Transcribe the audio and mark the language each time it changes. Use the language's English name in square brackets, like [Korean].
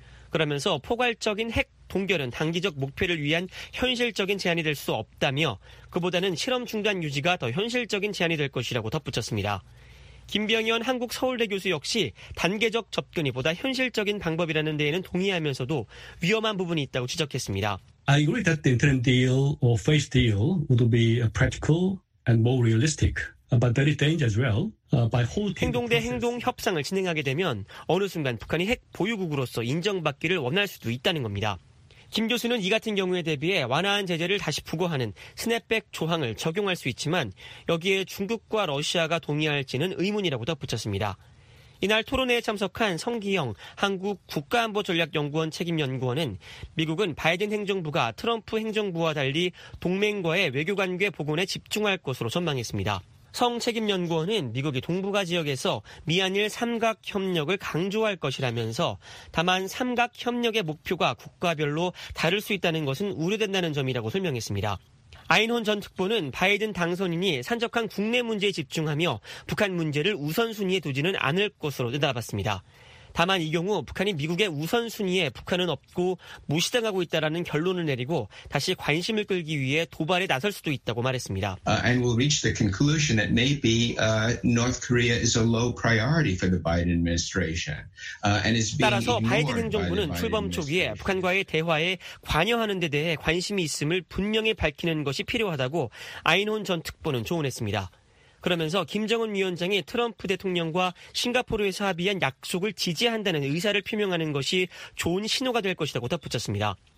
[Korean] 그러면서 포괄적인 핵 동결은 단기적 목표를 위한 현실적인 제안이 될 수 없다며 그보다는 실험 중단 유지가 더 현실적인 제안이 될 것이라고 덧붙였습니다. 김병 의원 한국 서울대 교수 역시 단계적 접근이 보다 현실적인 방법이라는 데에는 동의하면서도 위험한 부분이 있다고 지적했습니다. [English] I agree that the interim deal or phase deal would be practical and more realistic. But that is dangerous as well. By holding [Korean] 행동대 행동 협상을 진행하게 되면 어느 순간 북한이 핵 보유국으로서 인정받기를 원할 수도 있다는 겁니다. 김 교수는 이 같은 경우에 대비해 완화한 제재를 다시 부과하는 스냅백 조항을 적용할 수 있지만 여기에 중국과 러시아가 동의할지는 의문이라고 덧붙였습니다. 이날 토론회에 참석한 성기영 한국 국가안보전략연구원 책임연구원은 미국은 바이든 행정부가 트럼프 행정부와 달리 동맹과의 외교관계 복원에 집중할 것으로 전망했습니다. 성 책임연구원은 미국이 동북아 지역에서 미한일 삼각협력을 강조할 것이라면서 다만 삼각협력의 목표가 국가별로 다를 수 있다는 것은 우려된다는 점이라고 설명했습니다. 아인혼 전 특보는 바이든 당선인이 산적한 국내 문제에 집중하며 북한 문제를 우선순위에 두지는 않을 것으로 내다봤습니다. 다만 이 경우 북한이 미국의 우선순위에 북한은 없고 무시당하고 있다라는 결론을 내리고 다시 관심을 끌기 위해 도발에 나설 수도 있다고 말했습니다. [English] And we'll reach the conclusion that maybe North Korea is a low priority for the Biden administration. And is being [Korean] 따라서 바이든 행정부는 출범 초기에 북한과의 대화에 관여하는 데 대해 관심이 있음을 분명히 밝히는 것이 필요하다고 아인혼 전 특보는 조언했습니다. 그러면서 김정은 위원장이 트럼프 대통령과 싱가포르에서 합의한 약속을 지지한다는 의사를 표명하는 것이 좋은 신호가 될 것이라고 덧붙였습니다.